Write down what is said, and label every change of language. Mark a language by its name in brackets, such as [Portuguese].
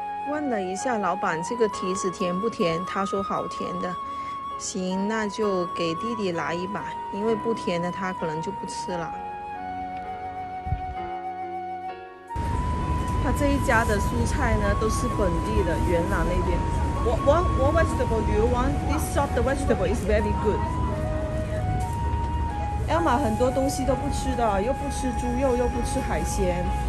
[Chinese] 问了一下老板这个提子甜不甜，他说好甜的，行，那就给弟弟拿一把，因为不甜的他可能就不吃了。他这一家的蔬菜呢都是本地的，元朗那边。 [English] What vegetable do you want? This shop the vegetable is very good. [Chinese] Elma 很多东西都不吃的，又不吃猪肉，又不吃海鲜。